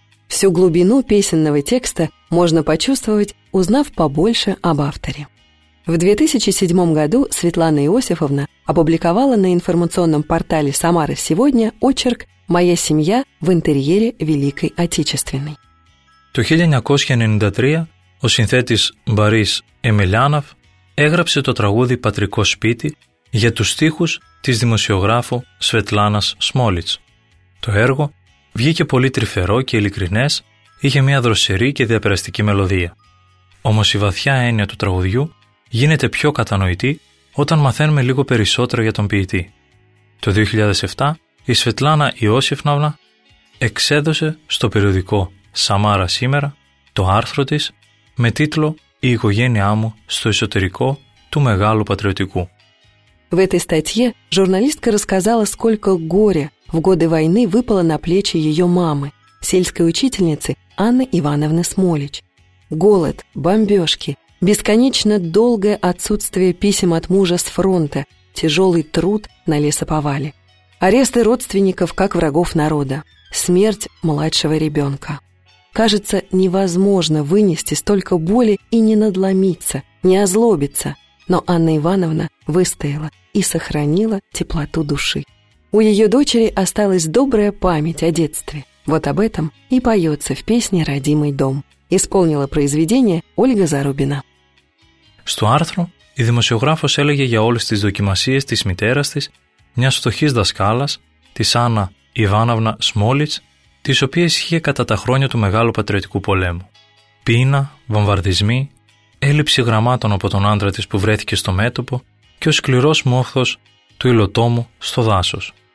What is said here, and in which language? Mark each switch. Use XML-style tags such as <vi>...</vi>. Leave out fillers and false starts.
<ru>Всю глубину песенного текста можно почувствовать, узнав побольше об авторе. В 2007 году Светлана Иосифовна опубликовала на информационном портале «Самара сегодня» очерк «Моя семья в интерьере Великой Отечественной».</ru> <el>Το 1993 ο συνθέτης Μπαρίς Εμελιάνοφ έγραψε το τραγούδι «Πατρικό σπίτι» για τους στίχους της δημοσιογράφου Σβετλάνας Σμόλιτς. Το έργο βγήκε πολύ τρυφερό και ειλικρινές, είχε μια δροσερή και διαπεραστική μελωδία. Όμως η βαθιά έννοια του τραγουδιού γίνεται πιο κατανοητή όταν μαθαίνουμε λίγο περισσότερο για τον ποιητή. Το 2007 η Σβετλάνα Ιώσιφναυνα εξέδωσε στο περιοδικό «Σαμάρα σήμερα» το άρθρο της με τίτλο «Η οικογένειά μου στο εσωτερικό του μεγάλου πατριωτικού».</el> <ru>В этой статье журналистка рассказала, сколько горя в годы войны выпало на плечи ее мамы, сельской учительницы Анны Ивановны Смолич. Голод, бомбежки, бесконечно долгое отсутствие писем от мужа с фронта, тяжелый труд на лесоповале, аресты родственников как врагов народа, смерть младшего ребенка. Кажется, невозможно вынести столько боли и не надломиться, не озлобиться. Но Анна Ивановна выстояла и сохранила теплоту души. У ее дочери осталась добрая память о детстве. Вот об этом и поется в песне «Родимый дом». Исполнила произведение Ольга Зарубина.</ru> <el>Στο άρθρο, η δημοσιογράφος έλεγε για όλες τις δοκιμασίες της μητέρας της, μιας φτωχής δασκάλας, της Άννα Ιβάνοβνα Σμόλιτς, τις οποίες είχε κατά τα χρόνια του Μεγάλου Πατριωτικού Πολέμου. Πείνα, βομβαρδισμοί, έλλειψη γραμμάτων από τον άντρα της που βρέθηκε στο μέτωπο και ο σκληρός μόχθος του υλοτόμου στο δάσος.</el>